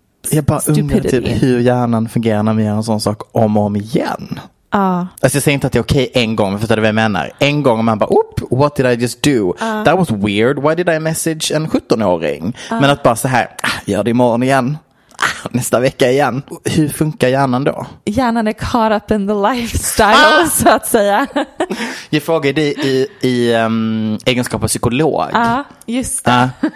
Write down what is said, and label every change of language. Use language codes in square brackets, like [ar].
[sv] Jag bara undrar typ hur hjärnan fungerar när vi gör en sån sak om och om igen. Alltså jag säger inte att det är okej en gång, för att det är vad jag menar. En gång man bara, [en] oop, what did I just do? That was weird. Why did I message [sv] en 17-åring? Men att bara så här, gör det imorgon igen. Nästa vecka igen. Hur funkar hjärnan då? Hjärnan är [en] caught up in the lifestyle, [sv] så att säga. Jag frågar dig i egenskap av psykolog. Ja, just det.